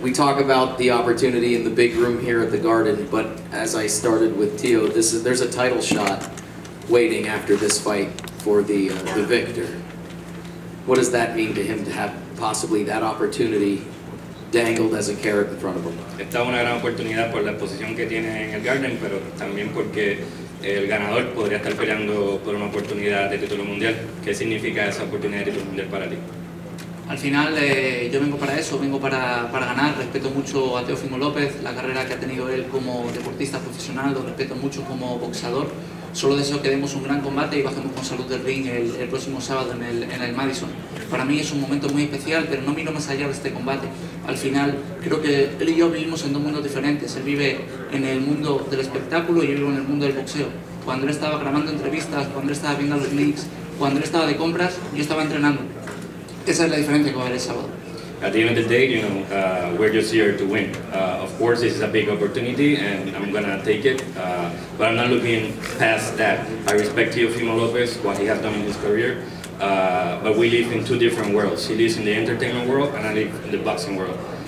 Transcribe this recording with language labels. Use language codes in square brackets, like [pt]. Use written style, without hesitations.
[en] We talk about the opportunity in the big room here at the Garden, but as I started with Teo, there's a title shot waiting after this fight for the victor. What does that mean to him to have possibly that opportunity dangled as a carrot in front of him? [es] Esta una gran oportunidad por la posición que tiene en el Garden, pero también porque el ganador podría estar peleando por una oportunidad de título mundial. ¿Qué significa esa oportunidad de título mundial para ti? Al final, yo vengo para eso, vengo para ganar. Respeto mucho a Teofimo López, la carrera que ha tenido él como deportista profesional, lo respeto mucho como boxeador. Solo deseo que demos un gran combate y bajemos con salud del ring el próximo sábado en el Madison. Para mí es un momento muy especial, pero no miro más allá de este combate. Al final, creo que él y yo vivimos en dos mundos diferentes. Él vive en el mundo del espectáculo y yo vivo en el mundo del boxeo. Cuando él estaba grabando entrevistas, cuando él estaba viendo los links, cuando él estaba de compras, yo estaba entrenando. Esa es la diferencia que va a haber el sábado. [en] At the end of the day, you know, we're just here to win. Of course, this is a big opportunity, and I'm gonna take it. But I'm not looking past that. I respect Teofimo Lopez, what he has done in his career. But we live in two different worlds. He lives in the entertainment world, and I live in the boxing world.